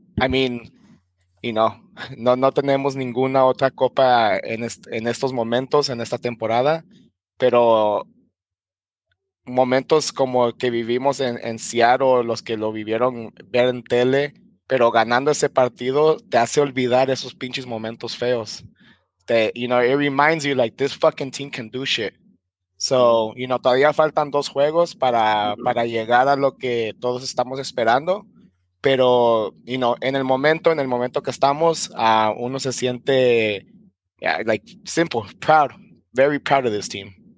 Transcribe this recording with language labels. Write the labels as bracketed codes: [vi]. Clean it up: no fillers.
[en] I mean, [es] y no tenemos ninguna otra copa en estos momentos, en esta temporada, pero momentos como el que vivimos en Seattle, los que lo vivieron ver en tele, pero ganando ese partido te hace olvidar esos pinches momentos feos. [en] It reminds you, like, this fucking team can do shit. So, [es] todavía faltan 2 juegos para llegar a lo que todos estamos esperando. Pero, en el momento que estamos, uno se siente, simple, [en] proud, very proud of this team.